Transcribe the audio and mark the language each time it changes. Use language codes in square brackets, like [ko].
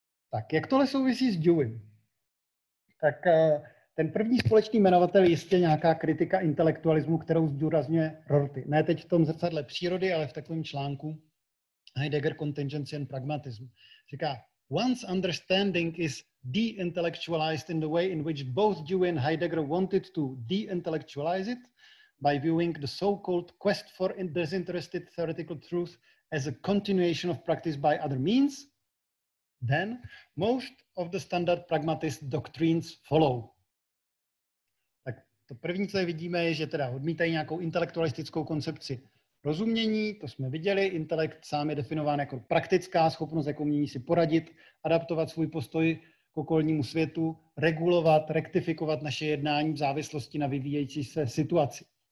[cs] Tak jak tohle souvisí s Deweym? Tak ten první společný jmenovatel je jistě nějaká kritika intelektualismu, kterou zdůrazňuje Rorty. Ne teď v tom zrcadle přírody, ale v takovém článku Heidegger Contingency and Pragmatism. Říká, [en] once understanding is de-intellectualized in the way in which both Dewey and Heidegger wanted to de-intellectualize it by viewing the so-called quest for disinterested theoretical truth as a continuation of practice by other means, then most of the standard pragmatist doctrines follow. [cs] Tak to první, co vidíme, je, že teda odmítají nějakou intelektualistickou koncepci rozumění, to jsme viděli, intelekt sám je definován jako praktická schopnost, jak umění si poradit, adaptovat svůj postoj k okolnímu světu, regulovat, rektifikovat naše jednání v závislosti na vyvíjející se situaci.